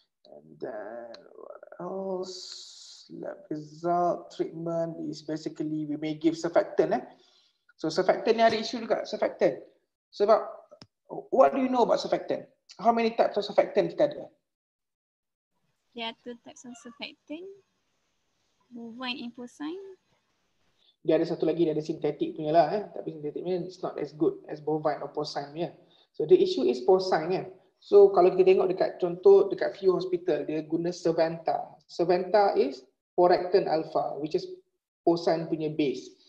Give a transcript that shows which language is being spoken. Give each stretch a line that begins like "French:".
English: And then what else? Lab result treatment is basically we may give surfactant. So surfactant
Malay: ni ada
English: issue
Malay: juga,
English: surfactant.
Malay: Sebab,
English: what do you know about surfactant? How many types of surfactant
Malay: kita ada?
English: There are two types of surfactant, bovine and porcine.
Malay: Dia ada satu lagi, dia ada sintetik punya lah. Tapi sintetik punya,
English: it's not as good as bovine or porcine punya. So the issue is porcine.
Malay: So kalau kita tengok dekat contoh, dekat
English: few hospital,
Malay: dia guna Cerventa.
English: Cerventa is porectin alpha, which is porcine
Malay: punya
English: base.